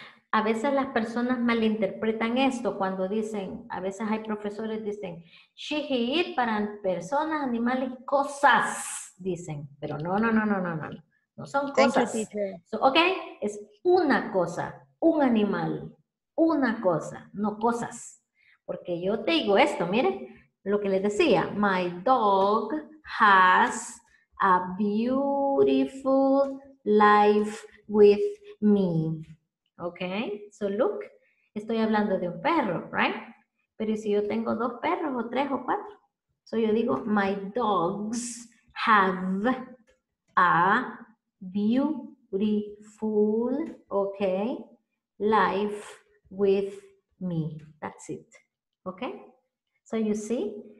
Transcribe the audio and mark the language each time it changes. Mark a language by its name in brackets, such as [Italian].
[Spanish] A veces las personas malinterpretan esto cuando dicen, a veces hay profesores dicen, she, he, it para personas, animales, cosas. Dicen, pero no. No son cosas. So, ok, es una cosa, un animal, una cosa, no cosas. Porque yo te digo esto, miren, lo que les decía. [English] My dog has a beautiful life with me. [Spanish] Ok, so look, estoy hablando de un perro, right? Pero si yo tengo dos perros, o tres, o cuatro. [English] So yo digo, my dogs have a beautiful, okay, life with me. That's it. Okay? So you see,